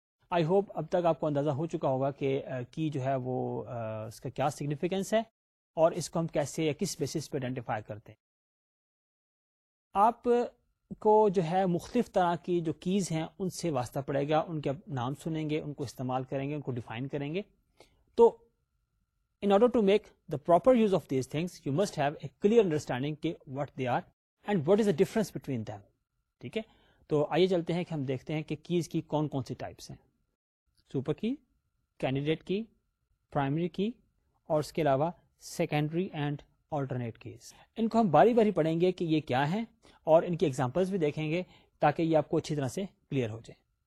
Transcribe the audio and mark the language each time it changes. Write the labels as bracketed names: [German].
[Urdu] I hope اب تک آپ کو اندازہ ہو چکا ہوگا کہ کی جو ہے وہ اس کا کیا سگنیفیکینس ہے اور اس کو ہم کیسے یا کس بیسس پہ آئیڈینٹیفائی کرتے ہیں. آپ کو جو ہے مختلف طرح کی جو کیز ہیں ان سے واسطہ پڑے گا, ان کے نام سنیں گے, ان کو استعمال کریں گے, ان کو ڈیفائن کریں گے. [English] تو in order to make the proper use of these things you must have a clear understanding کہ what they are and what is the difference between them. [Urdu] ٹھیک ہے, تو آئیے چلتے ہیں کہ ہم دیکھتے ہیں کہ کیز کی کون کون سی ٹائپس ہیں. Super key, candidate key, primary key اور اس کے علاوہ سیکنڈری اینڈ آلٹرنیٹ کیز. ان کو ہم باری باری پڑھیں گے کہ یہ کیا ہیں اور ان کی ایگزامپلس بھی دیکھیں گے تاکہ یہ آپ کو اچھی طرح سے کلیئر ہو جائیں.